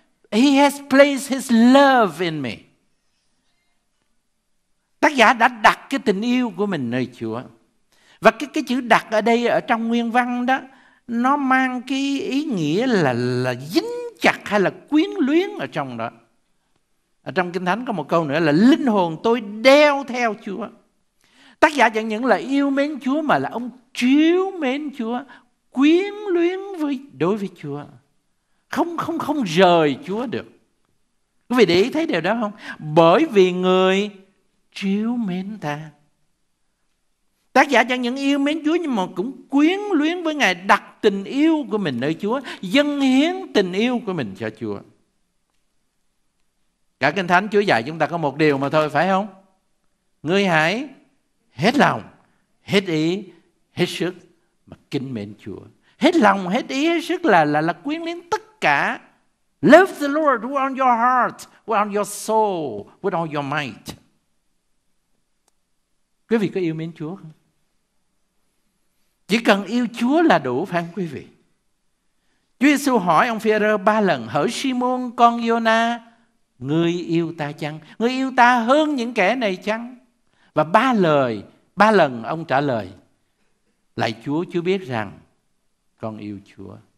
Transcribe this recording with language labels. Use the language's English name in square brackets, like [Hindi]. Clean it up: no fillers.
[English] He has placed his love in me. [Vietnamese] Tác giả đã đặt cái tình yêu của mình nơi Chúa. Và cái chữ đặt ở đây, ở trong nguyên văn đó, nó mang cái ý nghĩa là dính chặt hay là quyến luyến ở trong đó. Ở trong Kinh Thánh có một câu nữa là linh hồn tôi đeo theo Chúa. Tác giả chẳng những là yêu mến Chúa mà là ông chiếu mến Chúa, quyến luyến đối với Chúa. Không rời Chúa được. Quý vị để ý thấy điều đó không? Bởi vì người chiếu mến ta. Tác giả chẳng những yêu mến Chúa nhưng mà cũng quyến luyến với Ngài, đặt tình yêu của mình nơi Chúa, dâng hiến tình yêu của mình cho Chúa. Cả Kinh Thánh Chúa dạy chúng ta có một điều mà thôi, phải không? Ngươi hãy hết lòng, hết ý, hết sức mà kính mến Chúa. Hết lòng, hết ý, hết sức là quyến luyến tất cả. [English] Love the Lord with all your heart, with all your soul, with all your might. [Vietnamese] Quý vị có yêu mến Chúa không? Chỉ cần yêu Chúa là đủ, phải không quý vị? Chúa Giêsu hỏi ông Phi-e-rơ ba lần: hỡi Simon con Giô-na, ngươi yêu ta chăng? Ngươi yêu ta hơn những kẻ này chăng? Và ba lần ông trả lời: lạy Chúa biết rằng con yêu Chúa.